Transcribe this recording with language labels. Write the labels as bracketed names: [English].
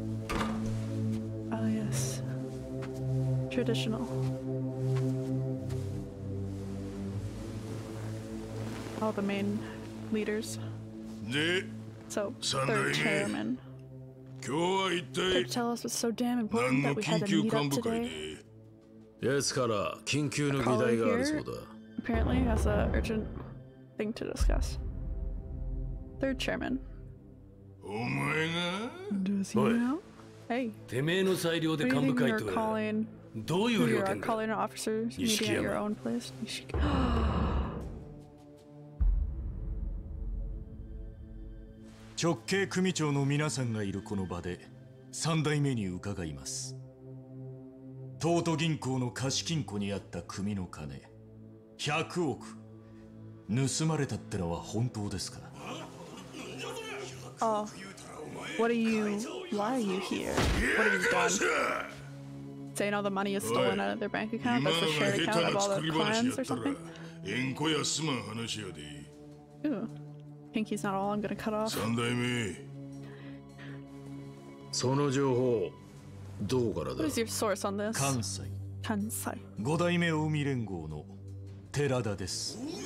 [English] Oh yes. Traditional. All the main leaders. So, third chairman. Could you tell us what's so damn important that we had to meet up today? [Japanese] Yes, から緊急の議題があるそうだ。 [English] Apparently, has an urgent thing to discuss. Third chairman. [Japanese] お前が? [English] Does he know? Hey. [Japanese] てめえの裁量で幹部会とは。どういう予定だ? [English] You are calling an officer meeting at your own place. [Japanese] 直系組長の皆さんがいるこの場で3代目に伺います。東都銀行の貸金庫にあった組の金100億盗まれたってのは本当ですか？ [English] What are you... Why are you here? What have you done? Saying all the money is stolen out of their bank account? That's a shared account of all the clans or something? [Japanese] えんこやすまん話やで。 [English] Pinky's not all I'm gonna cut off. [Japanese] 3代目。その情報、どこからだ? [English] Who's your source on this? [Japanese] 関西。関西。 5代目海連合の寺田です。